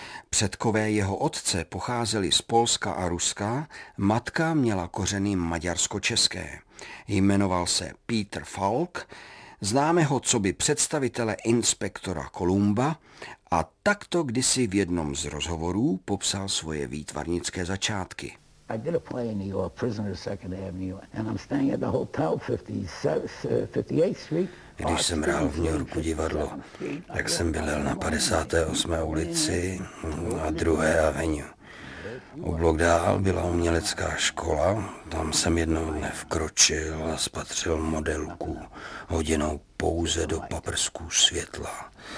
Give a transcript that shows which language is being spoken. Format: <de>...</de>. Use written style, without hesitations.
<cs>Předkové jeho otce pocházeli z Polska a Ruska, matka měla kořeny maďarsko-české. Jmenoval se Peter Falk, známe ho coby představitele inspektora Kolumba a takto kdysi v jednom z rozhovorů popsal svoje výtvarnické začátky.</cs> <en>I did a play in New York, Prisoner, 2nd Avenue, and I'm staying at the hotel, 58th Street.</en> <cs>Když jsem hrál v New Yorku divadlo, tak jsem bydlel na 58. ulici a 2. Avenue. O blok dál byla umělecká škola, tam jsem jednou dne vkročil a spatřil modelku, hoděnou pouze do paprsků světla.</cs>